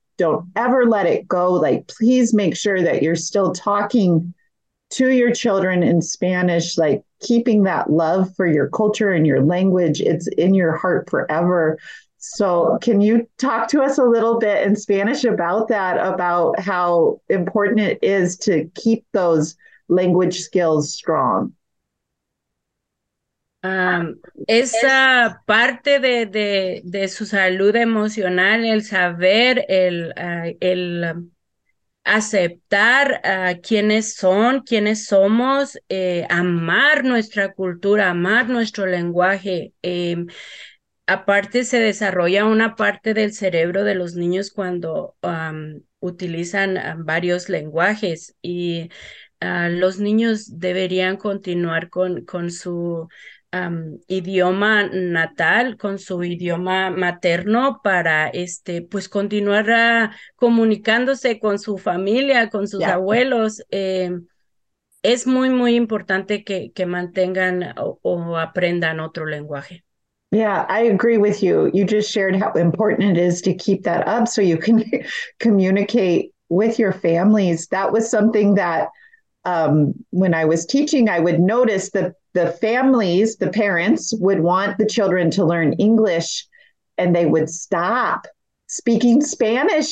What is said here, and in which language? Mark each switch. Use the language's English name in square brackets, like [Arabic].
[English] Don't ever let it go. Like, please make sure that you're still talking to your children in Spanish, like keeping that love for your culture and your language. It's in your heart forever. So can you talk to us a little bit in Spanish about that, about how important it is to keep those language skills strong? [Spanish] Esa parte de su salud emocional, el saber, el aceptar quiénes son, quiénes somos, amar nuestra cultura, amar nuestro lenguaje. Aparte, se desarrolla una parte del cerebro de los niños cuando utilizan varios lenguajes y los niños deberían continuar con su idioma natal, con su idioma materno para pues continuar comunicándose con su familia, con sus abuelos. Es muy, muy importante que mantengan o aprendan otro lenguaje. [English] Yeah, I agree with you. You just shared how important it is to keep that up so you can communicate with your families. That was something that when I was teaching, I would notice that the families, the parents, would want the children to learn English and they would stop speaking Spanish.